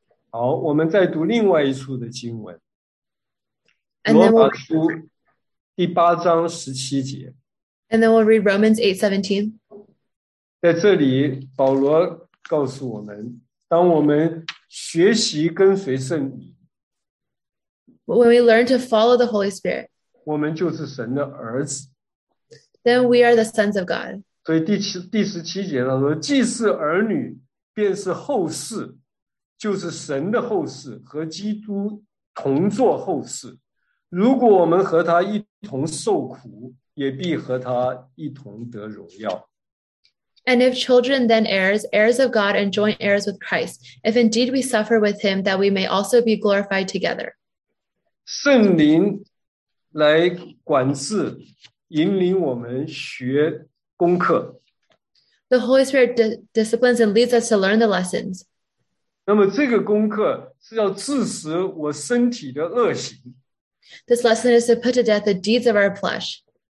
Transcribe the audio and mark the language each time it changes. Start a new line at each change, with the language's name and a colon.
Chinese: 好，我们再读另外一处的经文。
English: And then we'll read,
Chinese: 第8章17节,
English: and then we'll read Romans 8:17.
Chinese: 在这里, 保罗告诉我们, 当我们学习跟随圣灵,
English: when we learn to follow the Holy Spirit,
Chinese: 我们就是神的儿子,
English: then we are the sons of God.
Chinese: 所以第十七节他说, 既是儿女, 便是后世, 就是神的后世, 和基督同作后世。如果我们和他一同受苦, 也必和他一同得荣耀。
English: And if children, then heirs, heirs of God, and joint heirs with Christ, if indeed we suffer with him, that we may also be glorified together.
Chinese: 圣灵来管制, 引领我们学功课。
English: The Holy Spirit disciplines and leads us to learn the lessons.
Chinese: 那么这个功课是要致使我身体的恶行。
English: This lesson is to put to death the deeds of our flesh.